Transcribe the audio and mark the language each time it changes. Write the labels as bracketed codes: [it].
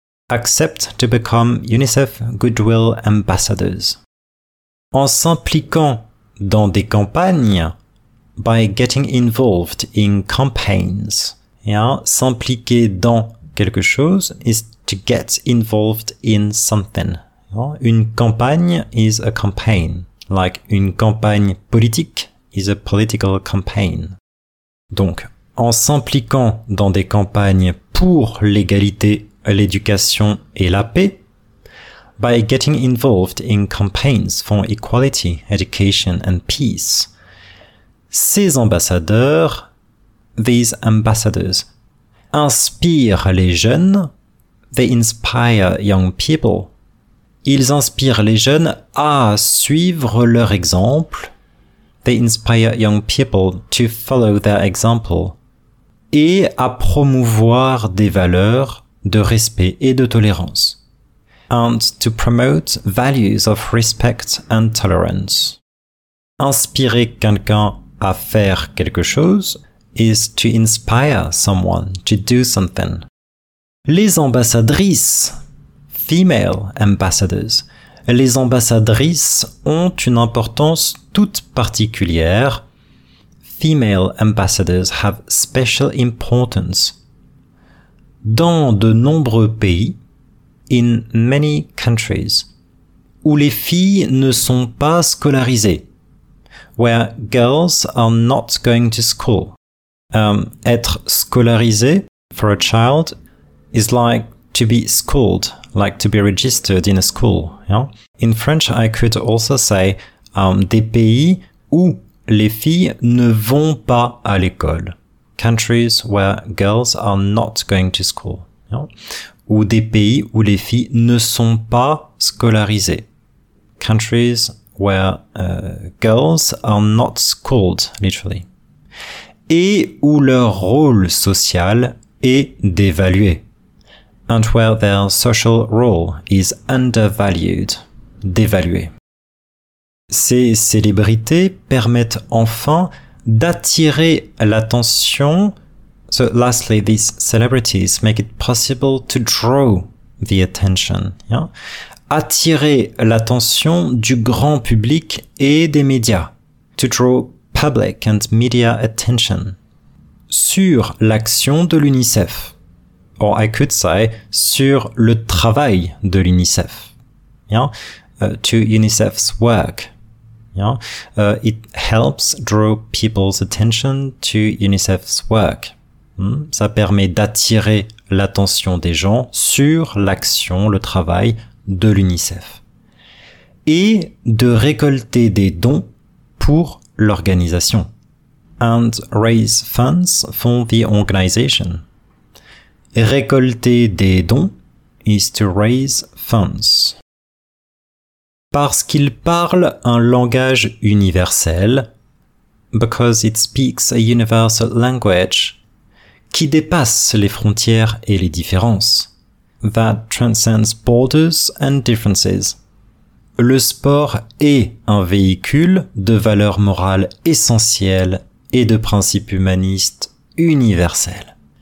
[en] Accept to become UNICEF goodwill ambassadors. [fr] En s'impliquant dans des campagnes, [en] by getting involved in campaigns. Yeah? [fr] S'impliquer dans quelque chose [en] is to get involved in something. Une campagne is a campaign, like [fr] une campagne politique [en] is a political campaign. [fr] Donc, en s'impliquant dans des campagnes pour l'égalité, l'éducation et la paix, [en] by getting involved in campaigns for equality, education and peace, [fr] ces ambassadeurs, [en] these ambassadors, [fr] inspirent les jeunes, [en] they inspire young people. [fr] Ils inspirent les jeunes à suivre leur exemple. [en] They inspire young people to follow their example. [fr] Et à promouvoir des valeurs de respect et de tolérance. [en] And to promote values of respect and tolerance. [fr] Inspirer quelqu'un à faire quelque chose [en] is to inspire someone to do something. [fr] Les ambassadrices. [en] Female ambassadors. [fr] Les ambassadrices ont une importance toute particulière. [en] Female ambassadors have special importance. [fr] Dans de nombreux pays, [en] in many countries, [fr] où les filles ne sont pas scolarisées, [en] where girls are not going to school. [fr] Être scolarisé [en] for a child is like to be schooled, like to be registered in a school. Yeah? In French, I could also say [fr] des pays où les filles ne vont pas à l'école. Ok, [en] countries where girls are not going to school. [fr] Ou des pays où les filles ne sont pas scolarisées. [en] Countries where girls are not schooled, literally. [fr] Et où leur rôle social est dévalué. [en] And where their social role is undervalued, dévalué. [fr] Ces célébrités permettent enfin d'attirer l'attention. [en] So lastly, these celebrities make it possible to draw the attention. Yeah? [fr] Attirer l'attention du grand public et des médias. [en] To draw public and media attention. [fr] Sur l'action de l'UNICEF. [en] Or I could say, [fr] sur le travail de l'UNICEF. [en] Yeah? To UNICEF's work. Yeah? It helps draw people's attention to UNICEF's work. [fr] Ça permet d'attirer l'attention des gens sur l'action, le travail de l'UNICEF. Et de récolter des dons pour l'organisation. [en] And raise funds for the organization. [fr] Récolter des dons [en] is to raise funds. [fr] Parce qu'il parle un langage universel. [en] Because it speaks a universal language. [fr] Qui dépasse les frontières et les différences. [en] That transcends borders and differences. [fr] Le sport est un véhicule de valeurs morales essentielles et de principes humanistes universels.